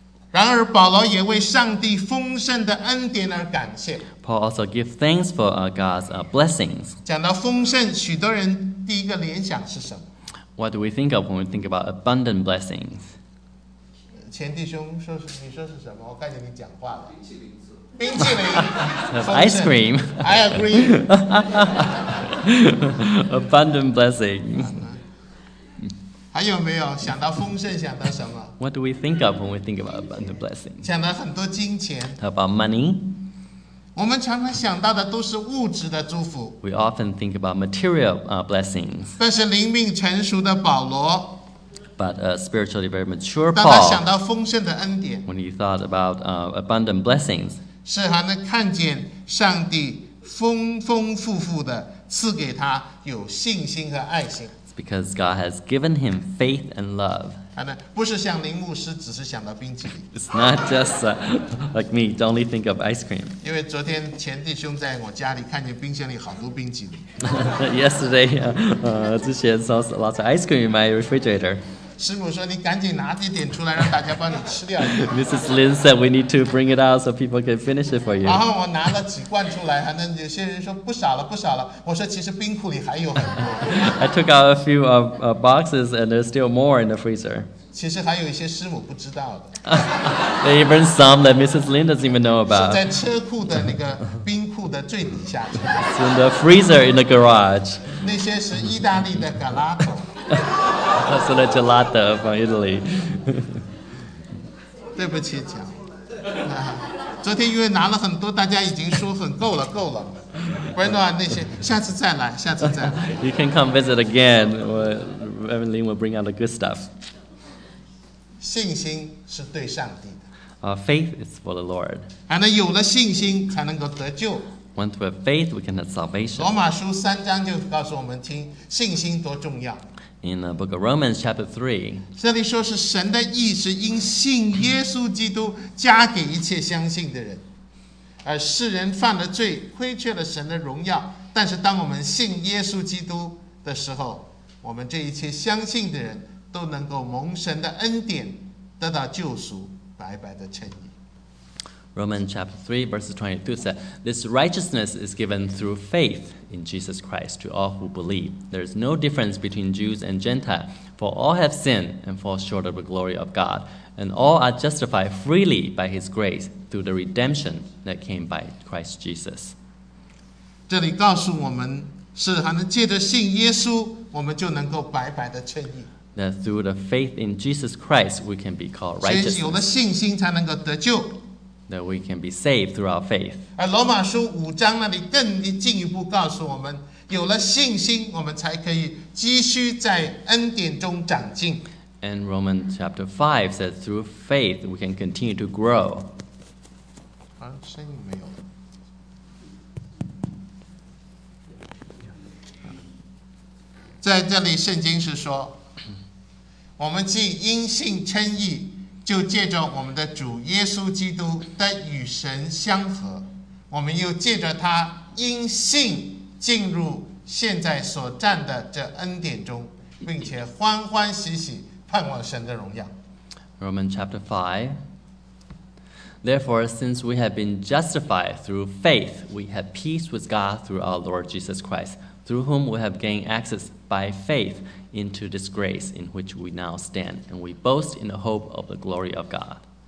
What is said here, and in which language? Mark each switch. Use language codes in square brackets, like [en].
[zh] 然而保罗也为上帝丰盛的恩典而感谢。 [en] Paul also gives thanks for God's blessings. [zh] 讲到丰盛，许多人第一个联想是什么？ [en] What do we think of when we think about abundant blessings? [zh] 前弟兄说是，你说是什么？我看见你讲话了。冰淇淋。 [en] Ice cream. I agree. Abundant blessings. [zh] 还有没有想到丰盛想到什么？ [en] What do we think of when we think about abundant blessing? [zh] 想到很多金钱。 [en] Talk about money. [zh] 我们常常想到的都是物质的祝福。 [en] We often think about material blessings. [zh] 但是灵命成熟的保罗。 [en] But a spiritually very mature Paul. [zh] 当他想到丰盛的恩典。 [en] When he thought about abundant blessings. [zh] 是还能看见上帝丰丰富富的赐给他有信心和爱心。 [en] It's because God has given him faith and love. [zh] 不是像林牧师只是想到冰淇淋。 [en] It's not just like me, don't only think of ice cream. [zh] 因为昨天前弟兄在我家里看见冰箱里好多冰淇淋。 [en] Yesterday, 之前 saw lots of ice cream in my refrigerator. [zh] 师母说：“你赶紧拿一点出来，让大家帮你吃掉。” [en] Mrs. Lin said, "We need to bring it out so people can finish it for you." [zh] 然后我拿了几罐出来，反正有些人说不少了，不少了。我说其实冰库里还有很多。 [en] I took out a few of boxes, and there's still more in the freezer. [zh] 其实还有一些师母不知道的。 [en] There's even some that Mrs. Lin doesn't even know about. [zh] 是在车库的那个冰库的最底下。 [en] In the freezer in the garage. [zh] 那些是意大利的 gelato。 [en] So the gelato from Italy. [zh] 对不起，讲。昨天因为拿了很多，大家已经说很够了，够了。 Bruno 那些，下次再来，下次再来。 [en] You can come visit again. Reverend Lin will bring out the good stuff. [zh] 信心是对上帝的。 [en] Faith is for the Lord. [zh] 还能有了信心，才能够得救。 [en] Once we have faith, we can have salvation. [zh] 罗马书三章就告诉我们听，信心多重要。 [en] In the book of Romans, chapter 3, [zh] 这里说是神的义是因信耶稣基督加给一切相信的人，而世人犯了罪，亏缺了神的荣耀。但是当我们信耶稣基督的时候，我们这一切相信的人都能够蒙神的恩典，得到救赎，白白的称义。 [en] Romans chapter 3, verses 22 said, "This righteousness is given through faith in Jesus Christ to all who believe. There is no difference between Jews and Gentile, for all have sinned and fall short of the glory of God, and all are justified freely by His grace through the redemption that came by Christ Jesus." [zh] 这里告诉我们，是还能借着信耶稣，我们就能够白白的称义。 [en] That through the faith in Jesus Christ, we can be called righteous. [zh] 所以有了信心，才能够得救。 [en] That we can be saved through our faith. [zh] 而罗马书五章那里更进一步告诉我们，有了信心，我们才可以积蓄在恩典中长进。 [en] And Romans chapter 5 says, through faith we can continue to grow. [zh] 啊，声音没有。在这里，圣经是说，我们既因信称义。就借着我们的主耶稣基督得与神相合，我们又借着他因信进入现在所站的这恩典中，并且欢欢喜喜盼望神的荣耀。 [en] Romans chapter 5. Therefore, since we have been justified through faith, we have peace with God through our Lord Jesus Christ, through whom we have gained access by faith. Into this grace in which we now stand, and we boast in the hope of the glory of God.